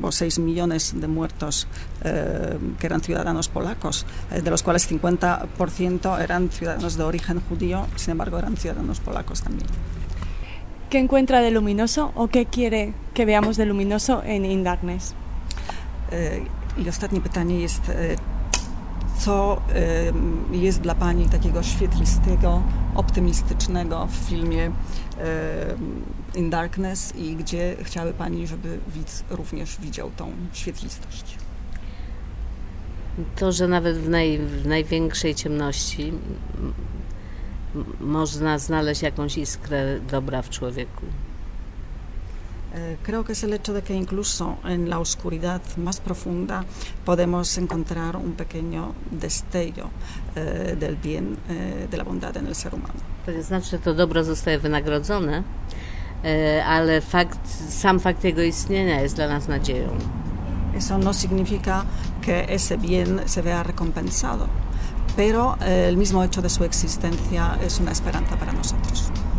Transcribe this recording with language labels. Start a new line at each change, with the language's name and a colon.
Spanish: Hubo 6 millones de muertos que eran ciudadanos polacos, de los cuales 50% eran ciudadanos de origen judío, sin embargo eran ciudadanos polacos también. ¿Qué encuentra de luminoso o qué quiere que veamos de luminoso en Indarnes?
Polish: I ostatnie pytanie jest, co jest dla pani takiego świetlistego, optymistycznego w filmie In Darkness i gdzie chciałaby pani, żeby widz również widział tą świetlistość? To, że nawet w największej ciemności można znaleźć jakąś iskrę dobra w człowieku.
Spanish: Creo que es el hecho de que incluso en la oscuridad más profunda podemos encontrar un pequeño destello del bien, de la bondad en el ser humano.
Polish: To nie znaczy, że to dobro zostaje wynagrodzone, ale sam fakt jego istnienia jest dla nas nadzieją.
Spanish: Eso no significa que ese bien se vea recompensado. Pero el mismo hecho de su existencia es una esperanza para nosotros.